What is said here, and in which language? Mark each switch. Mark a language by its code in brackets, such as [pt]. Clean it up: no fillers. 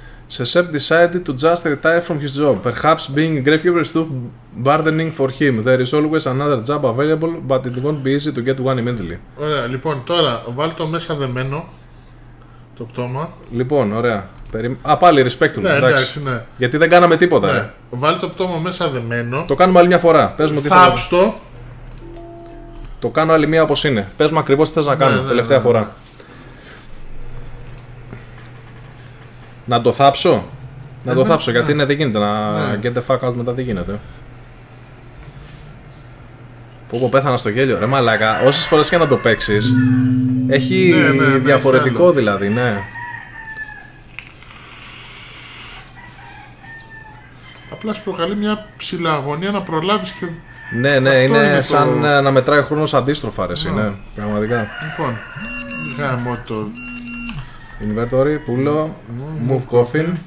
[en] Σε Σεπ decided to just retire from his job. Perhaps being a gravekeeper is too burdening for him. There is always another job available, but it won't be easy to get one immediately. [el] Ωραία, λοιπόν, τώρα βάλ το μέσα δεμένο το πτώμα. Λοιπόν, ωραία. Α, πάλι respect του. Ναι, εντάξει, ναι. Γιατί δεν κάναμε τίποτα. Ναι. Ρε. Βάλ το πτώμα μέσα δεμένο. Το κάνουμε άλλη μια φορά. Πες μου τι θα κάνω. Θάψτο. Το κάνω άλλη μια όπως είναι. Πες μου ακριβώς τι θες να κάνω. Ναι, ναι, τελευταία φορά. Να το θάψω, να το θάψω, γιατί είναι δεν γίνεται, να [en] get the fuck out [el] μετά δεν γίνεται. Πού πω, πέθανα στο γέλιο, ρε μαλάκα, όσες φορές και να το παίξεις, έχει διαφορετικό δηλαδή, ναι. Απλά σου προκαλεί μια ψηλαγωνία να προλάβεις και... Ναι, ναι, είναι σαν να μετράει ο χρόνος αντίστροφα, ρε εσύ, ναι, πραγματικά. Λοιπόν, γάμω το... [en] Inventory, [el] πουλο, [en] move coffin.